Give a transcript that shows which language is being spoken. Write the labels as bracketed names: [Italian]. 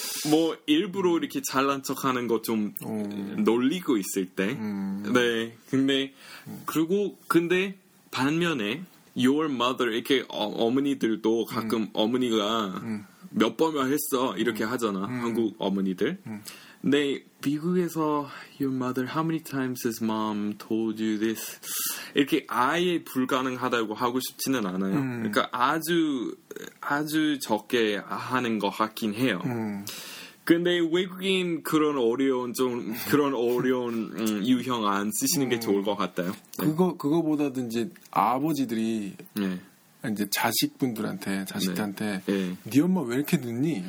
[Korean] 뭐 일부러 이렇게 잘난 척하는 거 좀 놀리고 있을 때. 네. 근데 그리고 근데 반면에 [English] Your mother, [Korean] 이렇게 어머니들도 가끔 어머니가 몇 번만 했어, 이렇게 하잖아, 한국 어머니들. 근데 미국에서 [English] Your mother, how many times has mom told you this? [Korean] 이렇게 아예 불가능하다고 하고 싶지는 않아요. 그러니까 아주, 아주 적게 하는 것 같긴 해요. 근데 외국인 그런 어려운 좀 그런 어려운 유형 안 쓰시는 게 좋을 것 같아요. 그거보다든 이제 아버지들이 이제 자식분들한테 자식한테 네 엄마 왜 이렇게 늦니?